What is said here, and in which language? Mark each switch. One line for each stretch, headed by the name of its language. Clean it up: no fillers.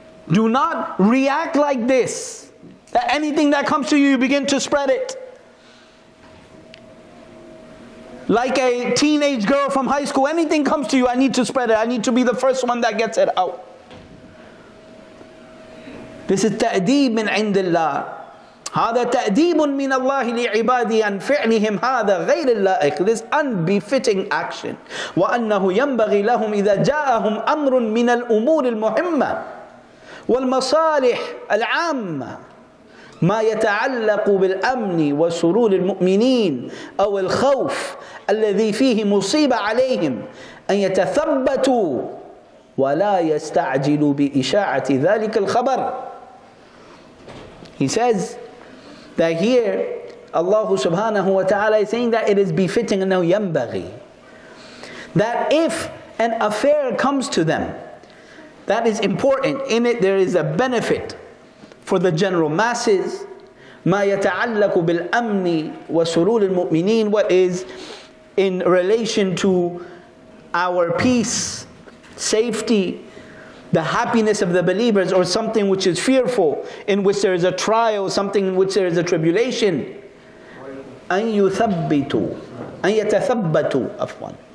English: Do not react like this. That anything that comes to you, you begin to spread it. Like a teenage girl from high school, anything comes to you, I need to spread it. I need to be the first one that gets it out. This is
Arabic: ta'deeb min indillah. هذا تأديب من الله لعبادي أن فعلهم هذا غير اللائق.
English: This unbefitting action.
Arabic: وأنه ينبغي لهم إذا جاءهم أمر من الأمور المهمة والمصالح العامة ما يتعلق بالأمن وسرور المؤمنين أو الخوف الذي فيه مصيبة عليهم أن يتثبتوا ولا يستعجلوا بإشاعة ذلك الخبر.
English: He says that here, Allah subhanahu wa ta'ala is saying that it is befitting, now yambaghi, that if an affair comes to them that is important, in it there is a benefit for the general masses,
Arabic: ما يتعلق بالأمن وسرور المؤمنين,
English: what is in relation to our peace, safety, the happiness of the believers, or something which is fearful, in which there is a trial, something in which there is a tribulation.
Arabic: أَنْ يُثَبِّتُوا أَنْ يَتَثَبَّتُوا أَفْوَان.